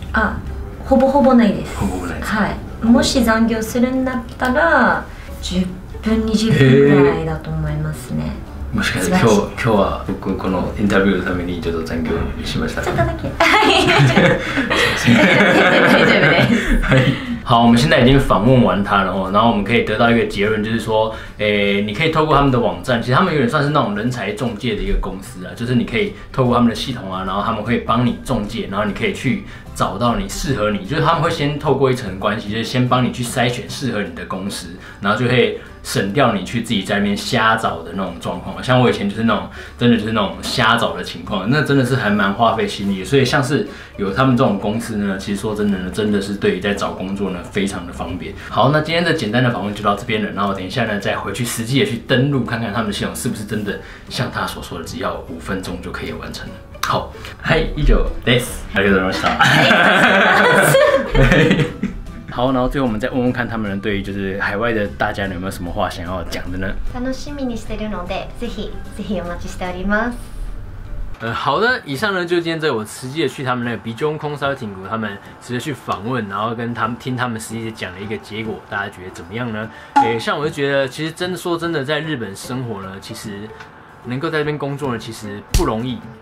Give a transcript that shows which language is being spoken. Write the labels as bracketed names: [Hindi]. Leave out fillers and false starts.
[Japanese] あ、ほぼほぼないです。ほぼないです、はい、もし残業するんだったら10分20分ぐらいだと思いますね。もしかして今日は僕このインタビューのためにちょっと残業しました。ちょっとだけ。大丈夫です。 [Chinese] 好，我们现在已经访问完他了，然后我们可以得到一个结论，就是说，你可以透过他们的网站，其实他们有点算是那种人才中介的一个公司啊，就是你可以透过他们的系统啊，然后他们可以帮你中介，然后你可以去找到你适合你，就是他们会先透过一层关系，就是先帮你去筛选适合你的公司，然后就会省掉你去自己在那边瞎找的那种状况。像我以前就是那种，真的就是那种瞎找的情况，那真的是还蛮花费心力的。所以像是有他们这种公司呢，其实说真的呢，真的是对于在找工作呢非常的方便。好，那今天的简单的访问就到这边了，然后等一下呢再回去实际的去登录看看他们的系统是不是真的像他所说的只要五分钟就可以完成了。好，嗨， [Japanese] 以上です。ありがとうございました。 [Chinese] 好，然后最后我们再问问看他们对于就是海外的大家有没有什么话想要讲的呢？ [Japanese] 楽しみにしてるので、ぜひぜひお待ちしております。 [Chinese] 好的，以上呢就今天在我实际的去他们那个 Bijon Consulting Group， 他们直接去访问，然后跟他们听他们实际的讲的一个结果，大家觉得怎么样呢？像我就觉得，其实真的说真的，在日本生活呢，其实能够在这边工作呢，其实不容易。